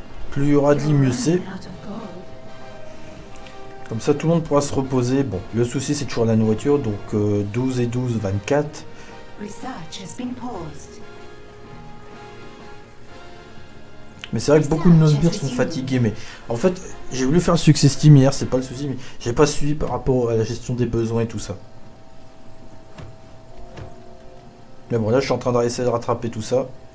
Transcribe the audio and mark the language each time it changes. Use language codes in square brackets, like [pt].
[fr] Plus il y aura de lits, mieux c'est. Comme ça, tout le monde pourra se reposer. Bon, le souci, c'est toujours la nourriture. Donc 12 et 12, 24. [en] Research has been paused. [fr] Mais c'est vrai que beaucoup de nos sbires sont fatigués, mais en fait, j'ai voulu faire un succès team hier, c'est pas le souci, mais j'ai pas suivi par rapport à la gestion des besoins et tout ça. Mais bon, là, je suis en train d'essayer de rattraper tout ça.